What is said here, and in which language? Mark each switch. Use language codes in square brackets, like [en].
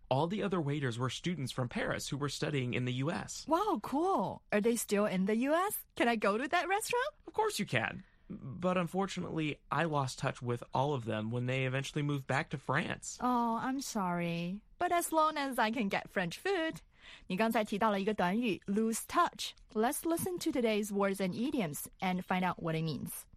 [en] All the other waiters were students from Paris who were studying in the U.S. Wow, cool. Are they still in the U.S.? Can I go to that restaurant? Of course you can. But unfortunately, I lost touch with all of them when they eventually moved back to France. Oh, I'm sorry. But as long as I can get French food. [zh] 你刚才提到了一个短语 [en] lose touch. Let's listen to today's words and idioms and find out what it means.